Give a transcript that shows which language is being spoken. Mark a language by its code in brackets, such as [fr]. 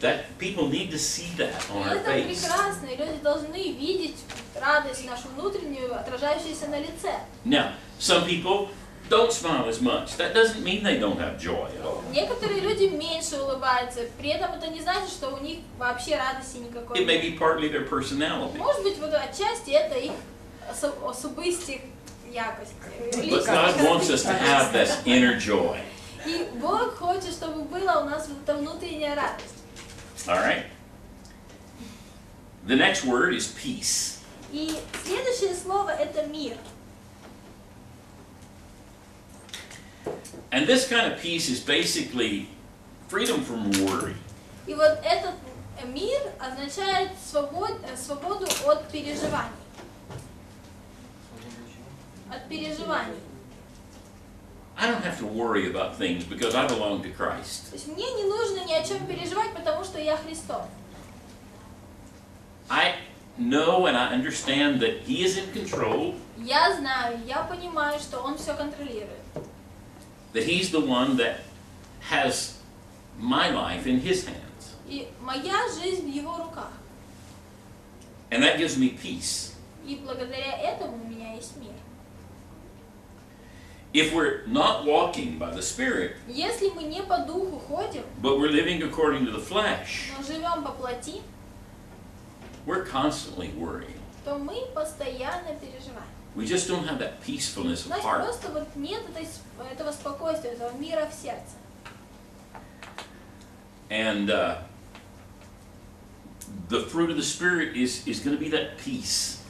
[en] That people need to see that on our face. [ru] Это прекрасно, и люди должны видеть радость нашу внутреннюю, отражающуюся на лице. [en] Now, some people don't smile as much. That doesn't mean they don't have joy at all. [ru] Некоторые люди меньше улыбаются. При этом это не значит, что у них вообще радости никакой. [en] It may be partly their personality. [ru] Может быть, вот отчасти это их особистых якостей. [en] But God wants us to have this inner joy. [ru] И Бог хочет, чтобы была у нас вот эта внутренняя радость. [en] All right. The next word is peace. [ru] И следующее слово это мир. [en] And this kind of peace is basically freedom from worry. [ru] И вот этот мир означает свободу от переживаний. От переживаний. [en] I don't have to worry about things because I belong to Christ. [ru] То есть мне не нужно ни о чем переживать, потому что я Христов. [en] I know and I understand that He is in control. [ru] Я знаю, я понимаю, что Он все контролирует. [en] That he's the one that has my life in his hands. [ru] И моя жизнь в его руках. [en] And that gives me peace. [ru] И благодаря этому у меня есть мир. [en] If we're not walking by the Spirit, [ru] если мы не по духу ходим, [en] but we're living according to the flesh, [ru] но живем по плоти, [en] we're constantly worrying. [ru] То мы постоянно переживаем. [en] We just don't have that peacefulness of heart. [ru] Просто вот нет этого спокойствия, этого мира в сердце. [en] And the fruit of the Spirit is going to be that peace.